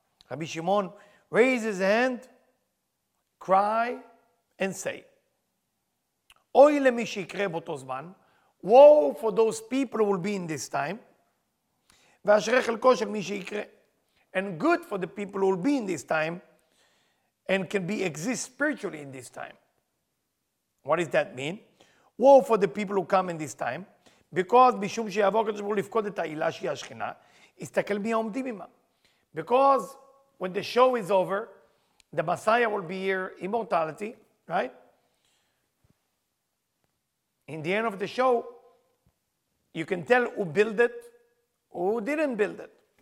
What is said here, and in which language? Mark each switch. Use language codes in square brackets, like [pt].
[en] Rabbi Shimon raised his hand, cry, and say, [he] Oy lemi shikre boto zman, [en] woe for those people who will be in this time. [he] ואשרי חלקו של מי שיקרה. [en] And good for the people who will be in this time and can be exist spiritually in this time. What does that mean? Woe for the people who come in this time because [he] משום שיבוא הקדוש ברוך הוא לפקוד את העילה שהיא השכינה, יסתכל מי עומדים עמה. [en] Because when the show is over, the Messiah will be here, immortality, right? In the end of the show, you can tell who built it, who didn't build it.